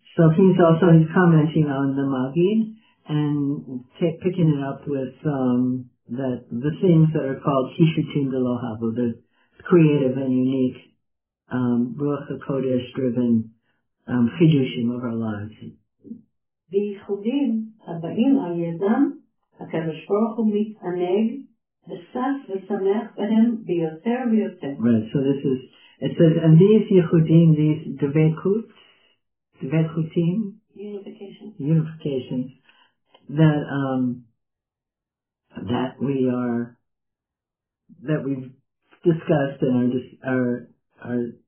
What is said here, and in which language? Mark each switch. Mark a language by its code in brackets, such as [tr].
[en] So he's commenting on the Magid and picking it up with that the things that are called Yishutim the Lohabu, the creative and unique Ruach HaKodesh driven Chidushim of our lives. [he] וייחודים הבאים על ידם, הקדוש ברוך הוא מתענג ושש ושמח בהם ביותר ויותר. [en] Right, so this is, it says, and these ייחודים, these דבקותים, unifications, that, that we are, that we've discussed and are, just, are